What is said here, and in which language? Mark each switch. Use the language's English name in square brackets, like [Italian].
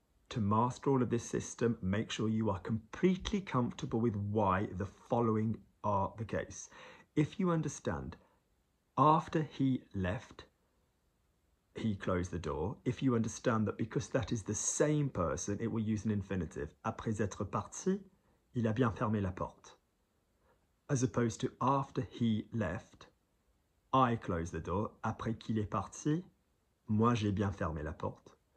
[English] To master all of this system, make sure you are completely comfortable with why the following are the case. If you understand, after he left, he closed the door. If you understand that because that is the same person, it will use an infinitive. [French] Après être parti, il a bien fermé la porte. [English] As opposed to after he left, I closed the door. [French] Après qu'il est parti, moi j'ai bien fermé la porte.